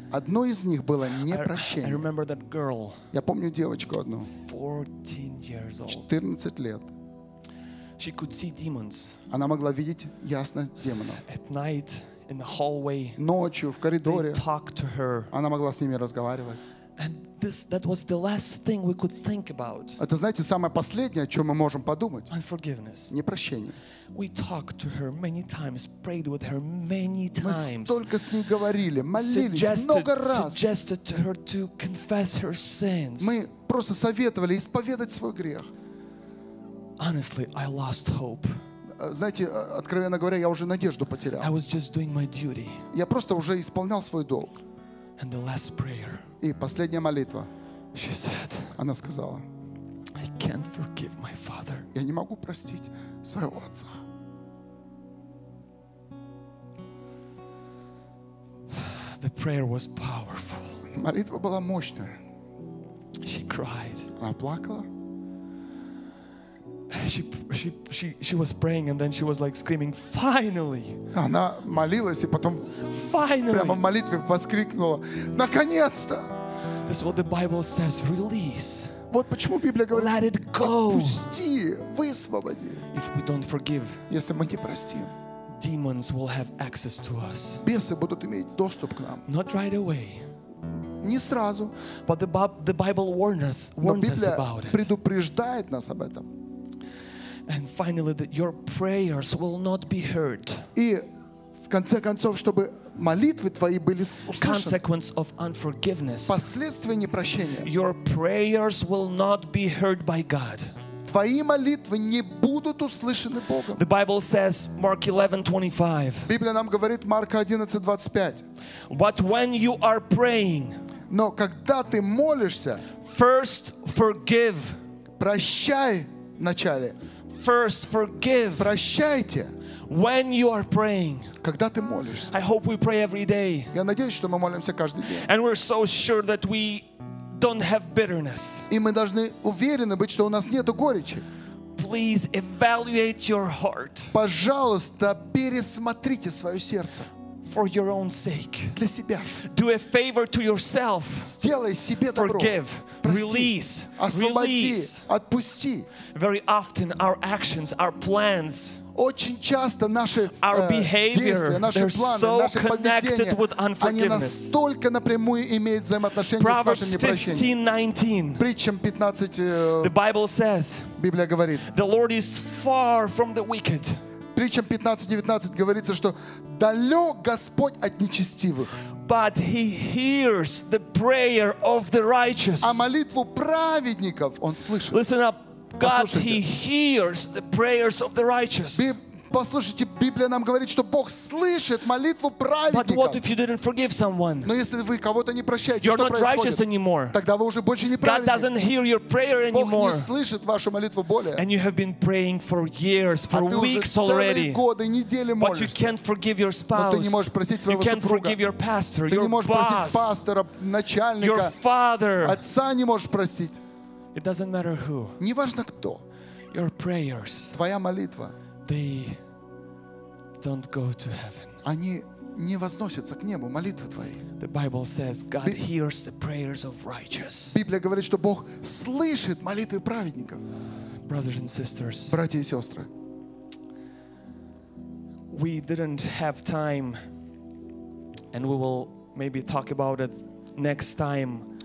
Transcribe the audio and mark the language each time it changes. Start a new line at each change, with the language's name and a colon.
Russian: Одно из них было непрощение.
English: I remember that girl.
Russian: Я помню девочку одну.
English: 14 years old.
Russian: 14 лет.
English: She could see demons.
Russian: Она могла видеть ясно демонов.
English: At night, in the hallway,
Russian: ночью в коридоре.
English: They talked to her.
Russian: Она могла с ними разговаривать.
English: And this, that was the last thing we could think about.
Russian: Это, знаете, самое последнее, о чем мы можем подумать.
English: Unforgiveness.
Russian: Непрощение.
English: We talked to her many times, prayed with her many times.
Russian: Мы столько с ней говорили, молились много раз.
English: Suggested to her to confess her sins.
Russian: Мы просто советовали исповедать свой грех.
English: Honestly, I lost hope.
Russian: Знаете, откровенно говоря, я уже надежду потерял.
English: I was just doing my duty.
Russian: Я просто уже исполнял свой долг.
English: And the last prayer.
Russian: И последняя молитва.
English: She said.
Russian: Она сказала.
English: I can't forgive my father.
Russian: Я не могу простить своего отца.
English: The prayer was powerful.
Russian: Молитва была мощная.
English: She cried.
Russian: Она плакала.
English: She was praying and then she was like screaming, finally.
Russian: Она молилась и потом
English: finally.
Russian: Прямо в молитве воскликнула, наконец-то.
English: This is what the Bible says, release.
Russian: Вот почему Библия говорит,
English: let it go.
Russian: Отпусти, высвободи.
English: If we don't forgive,
Russian: если мы не простим,
English: demons will have access to us.
Russian: Бесы будут иметь доступ к нам.
English: Not right away.
Russian: Не сразу.
English: But the Bible warns us about it.
Russian: Но Библия предупреждает нас об этом.
English: And finally, that your prayers will not be heard.
Russian: И в конце концов, чтобы молитвы твои были услышаны.
English: Consequence of unforgiveness.
Russian: Последствия непрощения.
English: Your prayers will not be heard by God.
Russian: Твои молитвы не будут услышаны Богом.
English: The Bible says, Mark 11:25.
Russian: Библия нам говорит, Марка 11:25.
English: But when you are praying,
Russian: но когда ты молишься,
English: first forgive.
Russian: Прощай вначале.
English: First forgive.
Russian: Прощайте.
English: When you are praying.
Russian: Когда ты молишься.
English: I hope we pray every day.
Russian: Я надеюсь, что мы молимся каждый день.
English: And we're so sure that we don't have bitterness.
Russian: И мы должны уверены быть, что у нас нету горечи.
English: Please evaluate your heart.
Russian: Пожалуйста, пересмотрите свое сердце.
English: For your own sake.
Russian: Для себя.
English: Do a favor to yourself.
Russian: Сделай себе добро.
English: Forgive.
Russian: Прости.
English: Release.
Russian: Освободи.
English: Release.
Russian: Отпусти.
English: Very often our actions, our plans,
Russian: очень часто наши действия, наши планы, so наши поведения, они настолько напрямую имеют взаимоотношение
English: Proverbs
Russian: с нашим непрощением. Притчам 15,
English: the Bible says,
Russian: Библия говорит,
English: the Lord is far from the wicked.
Russian: Притчам 15:19 говорится, что далек Господь от нечестивых.
English: But he hears the prayer of the righteous.
Russian: А молитву праведников он слышит.
English: Listen up. God, he hears the prayers of the righteous.
Russian: Послушайте, Библия нам говорит, что Бог слышит молитву праведников.
English: But what if you didn't forgive someone?
Russian: Но если вы кого-то не прощаете, you're что происходит?
English: Righteous anymore.
Russian: Тогда вы уже больше не праведник.
English: God doesn't hear your prayer anymore.
Russian: Бог не слышит вашу молитву более.
English: And you have been praying for years, for
Russian: а
English: weeks already.
Russian: Годы, недели молишься.
English: But you can't forgive your spouse.
Russian: Но ты не можешь простить своего
English: you can't
Russian: супруга.
English: Forgive your pastor,
Russian: ты your не можешь
English: boss,
Russian: простить пастора, начальника.
English: Your father.
Russian: Отца не можешь простить.
English: It doesn't matter who.
Russian: Не важно кто.
English: Your prayers.
Russian: Твоя молитва.
English: They don't go to heaven.
Russian: Они не возносятся к небу, молитвы твои.
English: The Bible says God hears the prayers of righteous.
Russian: Библия говорит, что Бог слышит молитвы праведников.
English: Brothers and sisters.
Russian: Братья и сестры.
English: We didn't have time, and we will maybe talk about it next time.